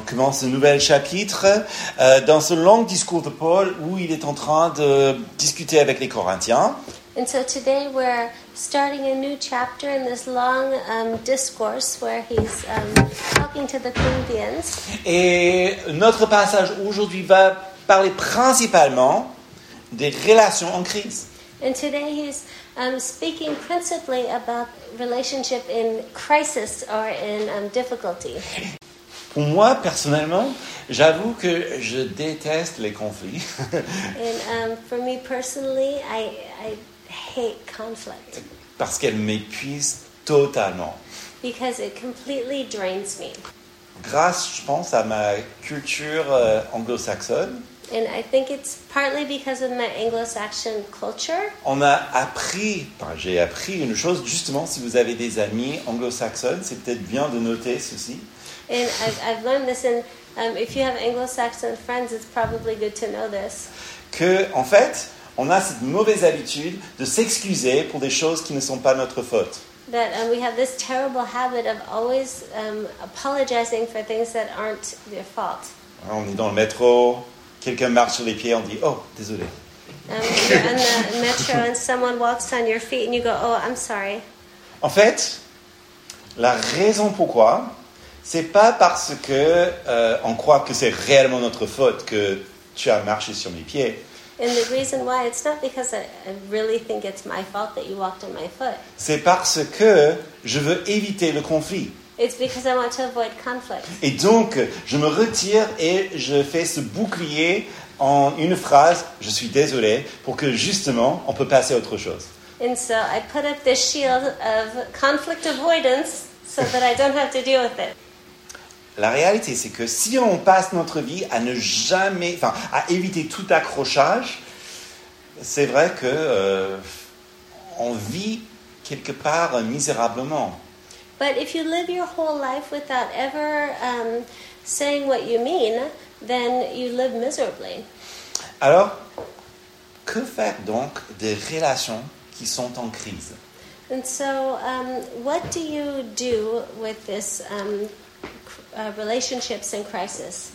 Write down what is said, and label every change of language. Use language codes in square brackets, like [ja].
[fr] commence un nouvel chapitre dans ce long discours de Paul où il est en train de discuter avec les Corinthiens. [en] And so today we're starting a new chapter in this long discourse where he's talking to the Corinthians. [fr] Et notre passage aujourd'hui va parler principalement des relations en crise. [en] And today he's speaking principally about relationship in crisis or in difficulty. [fr] Pour moi, personnellement, j'avoue que je déteste les conflits. [en] And for me personally, I hate conflict. [fr] Parce qu'elle m'épuise totalement. [en] Because it completely drains me. [fr] Grâce, je pense, à ma culture anglo-saxonne. [en] And I think it's partly because of my Anglo-Saxon culture. [fr] On a appris, enfin, j'ai appris une chose, justement, si vous avez des amis anglo-saxons, c'est peut-être bien de noter ceci. [en] And I've learned this, and if you have Anglo-Saxon friends, it's probably good to know this. [fr] Que, en fait, on a cette mauvaise habitude de s'excuser pour des choses qui ne sont pas notre faute. [en] That we have this terrible habit of always apologizing for things that aren't their fault. [fr] On est dans le métro, quelqu'un marche sur les pieds, on dit « Oh, désolé. » [en] You're in the metro and someone walks on your feet and you go « Oh, I'm sorry. » [fr] En fait, la raison pourquoi, c'est pas parce que on croit que c'est réellement notre faute que tu as marché sur mes pieds. [en] And the reason why, it's not because I really think it's my fault that you walked on my foot. [fr] C'est parce que je veux éviter le conflit. [en] It's because I want to avoid conflict. [fr] Et donc, je me retire et je fais ce bouclier en une phrase, je suis désolé, pour que justement, on peut passer à autre chose. [en] And so I put up this shield of conflict avoidance so that I don't have to deal with it. [fr] La réalité, c'est que si on passe notre vie à ne jamais, enfin, à éviter tout accrochage, c'est vrai que on vit quelque part misérablement. [en] But if you live your whole life without ever saying what you mean, then you live miserably. [fr] Alors, que faire donc des relations qui sont en crise? [en] And so, what do you do with this relationships in crisis?